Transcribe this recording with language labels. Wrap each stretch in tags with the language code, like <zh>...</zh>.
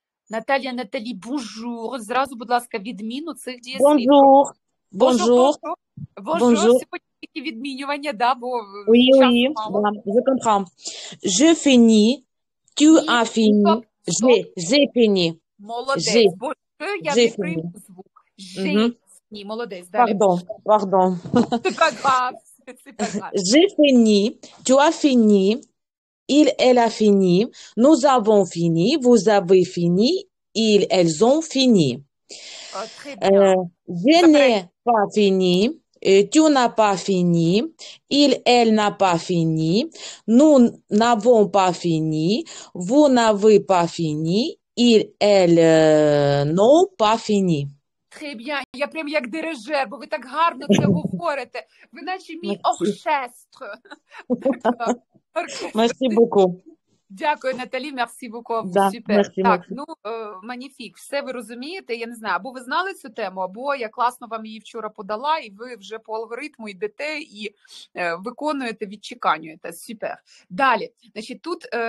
<uk>Наталія, Наталі, бонжур. Зразу, будь ласка, відміну цих дієслів.</uk> <fr>Бонжур. Бонжур. Бонжур.</fr> <uk>Сьогодні тільки відмінювання, да, бо</uk> <fr>oui,</fr> <uk>час</uk> <fr>oui.</fr> <uk>Мало.</uk> <fr>Oui, je comprends. Je finis, tu as fini, j'ai fini.</fr> <uk>Молодець, je. Бо я je не прийму звук.</uk> <fr>J'ai fini,</fr> <uk>молодець. Далі.</uk> <fr>Pardon.</fr> <uk>Це пагав.</uk> <fr>J'ai fini, tu as fini. Il, elle a fini, nous avons fini, vous avez fini, ils, elles ont fini. Je n'ai pas fini, tu n'as pas fini, il, elle n'a pas fini, nous n'avons pas fini, vous n'avez pas fini, ils, elles n'ont pas fini. Très bien,</fr> <uk>я прям як дирижер, бо ви так гарно це говорите. Ви наче мій оркестр.</uk> <fr>Merci beaucoup.</fr> <uk>Дякую, Наталі,</uk> <fr>merci beaucoup.</fr> <uk>Да, супер.</uk> <fr>Merci,</fr> <uk>так,</uk> <fr>merci.</fr> <uk>Ну, маніфік, все ви розумієте, я не знаю, або ви знали цю тему, або я класно вам її вчора подала, і ви вже по алгоритму йдете і виконуєте, відчеканюєте. Супер. Далі, значить, тут</uk>